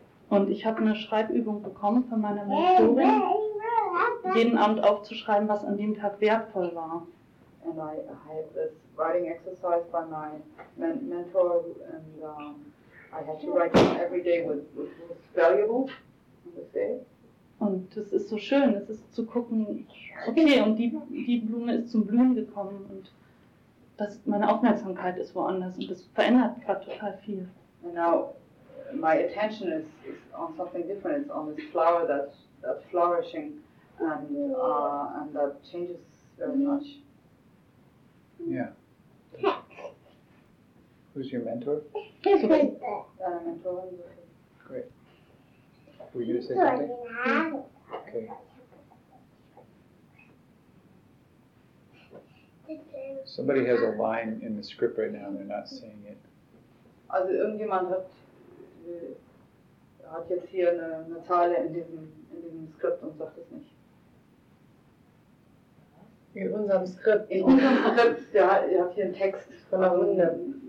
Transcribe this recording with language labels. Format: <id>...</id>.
<de>Und ich habe eine Schreibübung bekommen von meiner Mentorin, jeden Abend aufzuschreiben, was an dem Tag wertvoll war.</de> <en>And I had this writing exercise by my mentor, and I had to write down every day what was valuable on this day.</en> <de>Und das ist so schön, es ist zu gucken, okay, und die Blume ist zum Blühen gekommen, und das, meine Aufmerksamkeit ist woanders, und das verändert gerade total viel.</de> <en>And now my attention is on something different, it's on this flower that's flourishing, and that changes very much. Yeah. Who's your mentor? Okay. Mentor. Great. Were you to say something? Okay. Somebody has a line in the script right now and they're not saying it.</en> <de>Also irgendjemand hat jetzt hier eine Zeile in diesem Skript und sagt es nicht. In unserem Skript. In unserem Skript, ja, ihr habt hier einen Text von der Runde.</de>